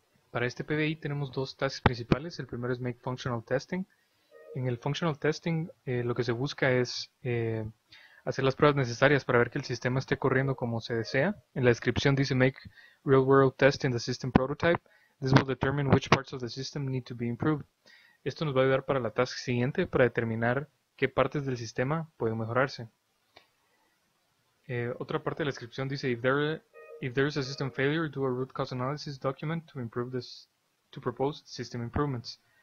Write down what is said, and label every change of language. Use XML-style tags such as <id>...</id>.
<es>Para este PBI tenemos dos tasks principales. El primero es Make Functional Testing. En el Functional Testing lo que se busca es hacer las pruebas necesarias para ver que el sistema esté corriendo como se desea. En la descripción dice</es> <en>Make Real World Test in the System Prototype. This will determine which parts of the system need to be improved.</en> <es>Esto nos va a ayudar para la task siguiente, para determinar qué partes del sistema pueden mejorarse. Otra parte de la descripción dice:</es> <en>If there is a system failure, do a root cause analysis document to improve this, to propose system improvements.</en>